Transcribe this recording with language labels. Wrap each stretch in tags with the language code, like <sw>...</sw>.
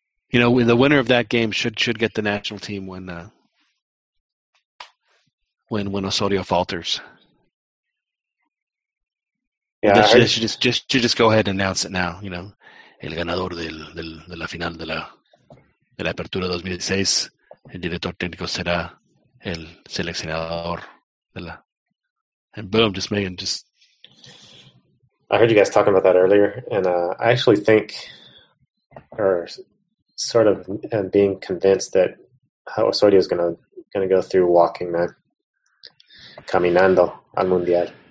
<en>You know, the winner of that game should get the national team when Osorio falters. Yeah, they should just go ahead and announce it now. You know,</en> <es>el ganador de la final de la. De la apertura 2016, el director técnico será el seleccionador de la.</es> <en>And boom, just. I heard you guys talking about that earlier, and I actually think, or sort of, and being convinced that Osorio is gonna go through walking, man,</en> <es>caminando al mundial.</es>